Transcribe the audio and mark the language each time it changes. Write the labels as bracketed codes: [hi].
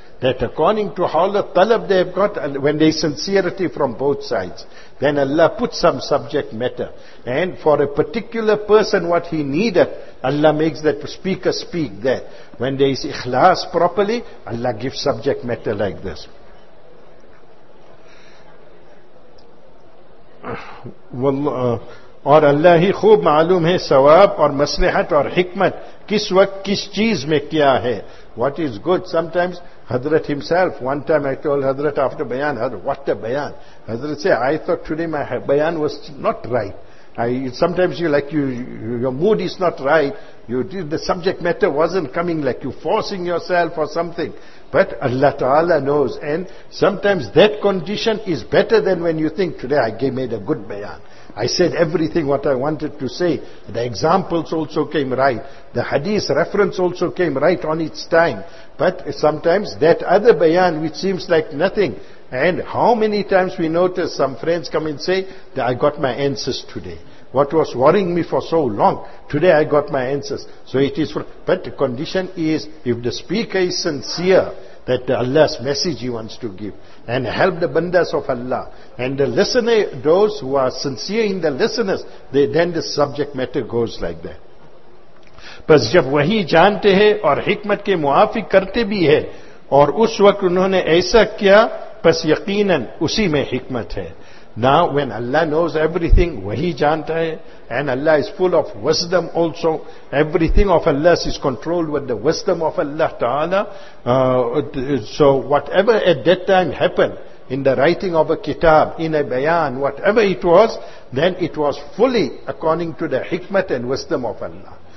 [en] That according to how the talab they have got, when they sincerity from both sides, then Allah puts some subject matter. And for a particular person what he needed, Allah makes that speaker speak that. When there is ikhlas properly, Allah gives subject matter like this. [ur] اور اللہ ہی خوب معلوم ہے ثواب اور مصلحت اور حکمت کس وقت کس چیز میں کیا ہے. [en] What is good, sometimes Hazrat himself, one time I told Hazrat after bayan, what a bayan. Hazrat said, I thought today my bayan was not right. Your mood is not right, the subject matter wasn't coming, like you forcing yourself or something. But Allah Ta'ala knows, and sometimes that condition is better than when you think, today I made a good bayan. I said everything what I wanted to say. The examples also came right. The hadith reference also came right on its time. But sometimes that other bayan which seems like nothing. And how many times we notice some friends come and say that I got my answers today. What was worrying me for so long, today I got my answers. So it is, but the condition is if the speaker is sincere, that Allah's message he wants to give and help the bandas of Allah, and the listener, those who are sincere in the listeners, then the subject matter goes like that. [ur] پس جب وہی جانتے ہیں اور حکمت کے موافق کرتے بھی ہے اور اس وقت انہوں نے ایسا کیا پس یقیناً اسی میں حکمت ہے. [en] Now when Allah knows everything, [ur] وہی جانتا ہے, [en] and Allah is full of wisdom also, everything of Allah is controlled with the wisdom of Allah Ta'ala. So whatever at that time happened, in the writing of a kitab, in a bayan, whatever it was, then it was fully according to the hikmat and wisdom of Allah.